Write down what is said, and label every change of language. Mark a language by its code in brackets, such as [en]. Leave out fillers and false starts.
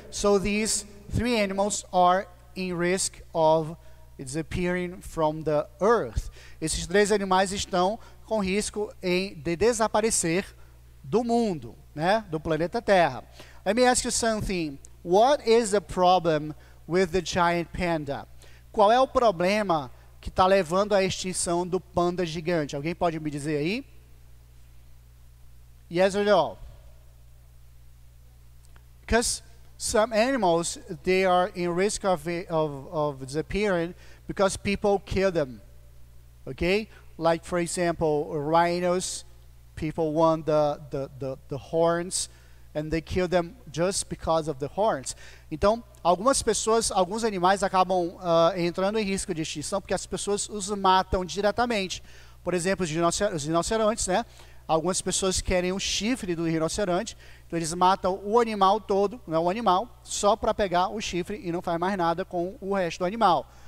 [en] So these three animals are in risk of disappearing from the earth. [pt] Esses três animais estão com risco de desaparecer do mundo, né? Do planeta Terra. [en] Let me ask you something. What is the problem with the giant panda? [pt] Qual é o problema que está levando à extinção do panda gigante? Alguém pode me dizer aí? [en] Yes or no? Because some animals, they are in risk of disappearing because people kill them. Okay? Like, for example, rhinos, people want the horns, and they kill them just because of the horns. [pt] Então, algumas pessoas, alguns animais acabam entrando em risco de extinção porque as pessoas os matam diretamente. Por exemplo, os rinocerontes, né? Algumas pessoas querem o chifre do rinoceronte, então eles matam o animal todo, não é o animal, só para pegar o chifre e não faz mais nada com o resto do animal.